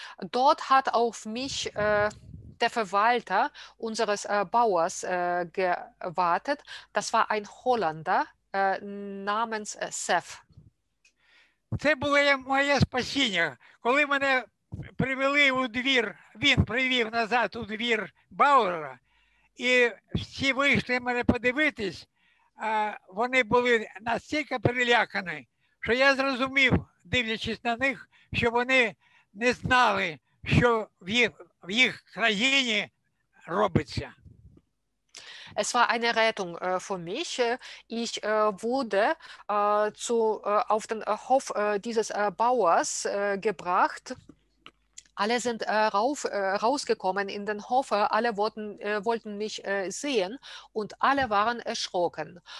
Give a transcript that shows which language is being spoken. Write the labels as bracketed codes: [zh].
[de] Dort hat auf mich der Verwalter unseres Bauers gewartet. Das war ein Holländer namens Сев. [uk] Це було моє спасіння, коли мене привели у двір, він привів назад у двір Бауера, і всі вийшли мене подивитись, вони були настільки перелякані, що я зрозумів, дивлячись на них, що вони не знали, що в їх країні робиться. [de] Es war eine Rettung für mich. Ich wurde auf den Hof dieses Bauers gebracht. Alle sind rausgekommen in den Hof, alle wollten mich sehen und alle waren erschrocken.